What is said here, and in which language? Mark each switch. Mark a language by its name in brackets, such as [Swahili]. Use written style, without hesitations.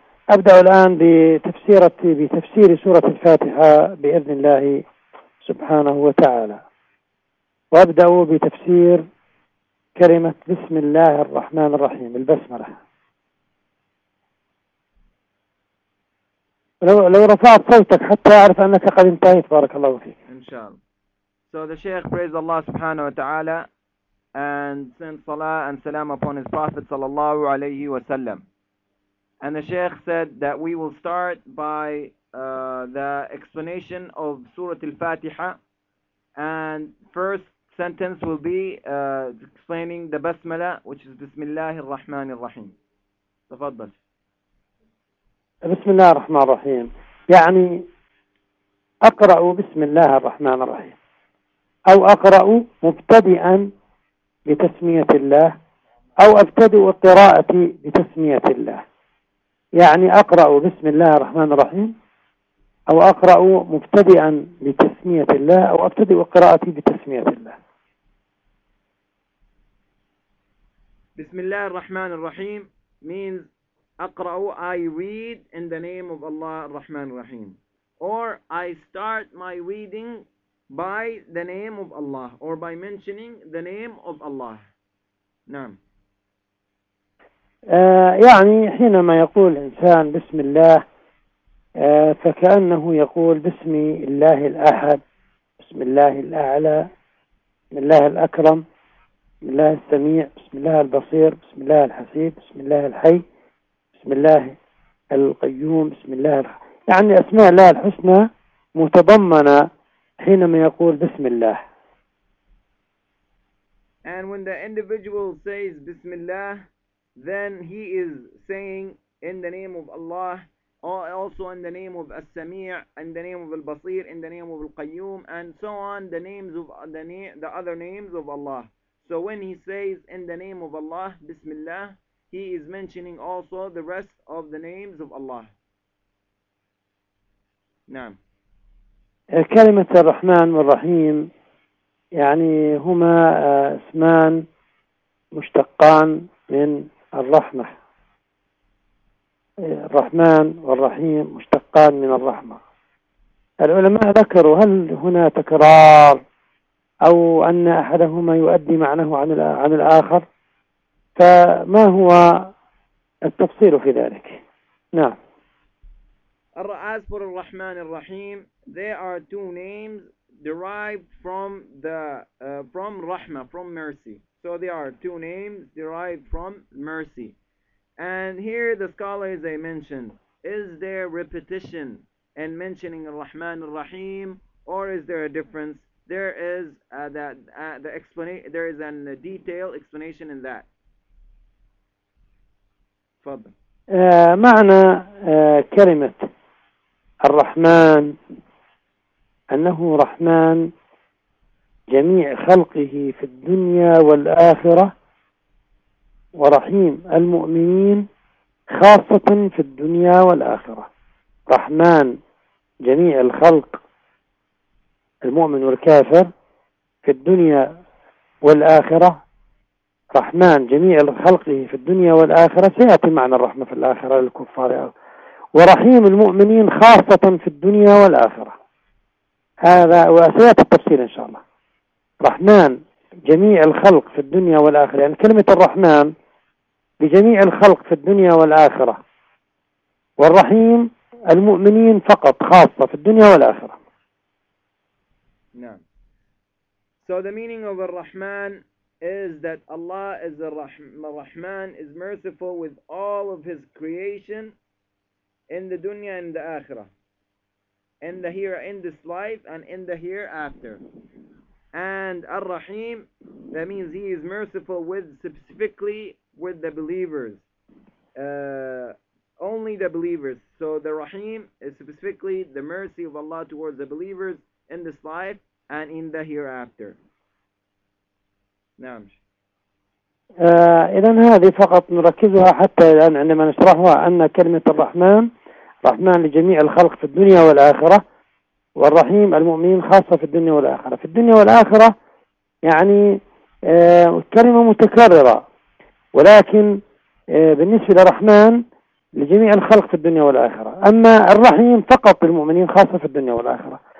[Arabic] أبدأ الآن بتفسير سورة الفاتحة بإذن الله سبحانه وتعالى وأبدأ بتفسير كلمة بسم الله الرحمن الرحيم البسملة لو رفعت صوتك حتى أعرف أنك قد انتهيت. بارك الله فيك. إن شاء الله. [English] So the Sheikh praised Allah سبحانه وتعالى and sent salah and salam upon his Prophet صلى الله عليه وسلم. And the Sheikh said that we will start by the explanation of Surah Al-Fatiha. And first sentence will be explaining the Basmala, which is Bismillah ar-Rahman ar-Rahim. [Arabic] تفضل. بسم الله الرحمن الرحيم يعني أقرأ بسم الله الرحمن الرحيم أو أقرأ مبتدئا بتسمية الله أو أبتدئ قراءتي بتسمية الله. يعني أقرأ بسم الله الرحمن الرحيم أو أقرأ مبتدئا بتسمية الله أو أبتدئ قراءتي بتسمية الله. [English] بسم الله الرحمن الرحيم means أقرأ, I read in the name of Allah الرحمن الرحيم, or I start my reading by the name of Allah, or by mentioning the name of Allah. [Arabic] نعم. يعني حينما يقول إنسان بسم الله فكأنه يقول بسم الله الأحد, بسم الله الأعلى, بسم الله الأكرم, بسم الله السميع, بسم الله البصير, بسم الله الحسيب, بسم الله الحي, بسم الله القيوم, بسم الله يعني أسماء الله الحسنى متضمنة حينما يقول بسم الله. [English] And when the individual says بسم الله, then he is saying in the name of Allah, also in the name of السميع, in the name of البصير, in the name of القيوم, and so on, the names of the other names of Allah. So when he says in the name of Allah, بسم الله, he is mentioning also the rest of the names of Allah. [Arabic] نعم. كلمة الرحمن والرحيم يعني هما اسمان مشتقان من الرحمة. الرحمن والرحيم مشتقان من الرحمة. العلماء ذكروا هل هنا تكرار أو أن أحدهما يؤدي معناه عن الآخر؟ فما هو التفصيل في ذلك؟ نعم. [English] As for الرحمن الرحيم, there are two names derived from the from رحمة, from mercy. So there are two names derived from mercy. And here the scholars they mentioned, is there repetition in mentioning الرحمن الرحيم, or is there a difference? There is the explanation. There is a detailed explanation in that. [Arabic] معنى كلمة الرحمن أنه رحمن جميع خلقه في الدنيا والآخرة, ورحيم المؤمنين خاصة في الدنيا والآخرة. رحمن جميع الخلق المؤمن والكافر في الدنيا والآخرة, رحمن جميع خلقه في الدنيا والآخرة, سيأتي معنى الرحمة في الآخرة للكفار, ورحيم المؤمنين خاصة في الدنيا والآخرة. هذا وسيأتي التفصيل إن شاء الله. رحمن جميع الخلق في الدنيا والآخرة, يعني كلمة الرحمن لجميع الخلق في الدنيا والآخرة, والرحيم المؤمنين فقط خاصة في الدنيا والآخرة. نعم. [English] So the meaning of الرحمن is that Allah is Rahman, is merciful with all of His creation in the dunya and the akhirah, in the here, in this life, and in the hereafter. And Ar-Rahim, that means He is merciful with specifically with the believers, only the believers. So the Rahim is specifically the mercy of Allah towards the believers in this life and in the hereafter. [Arabic] نعم. إذن هذه فقط نركزها حتى الآن عندما نشرحها, أن كلمة الرحمن رحمن لجميع الخلق في الدنيا والآخرة, والرحيم المؤمنين خاصة في الدنيا والآخرة. في الدنيا والآخرة يعني كلمة متكررة, ولكن بالنسبة لرحمن لجميع الخلق في الدنيا والآخرة, أما الرحيم فقط للمؤمنين خاصة في الدنيا والآخرة.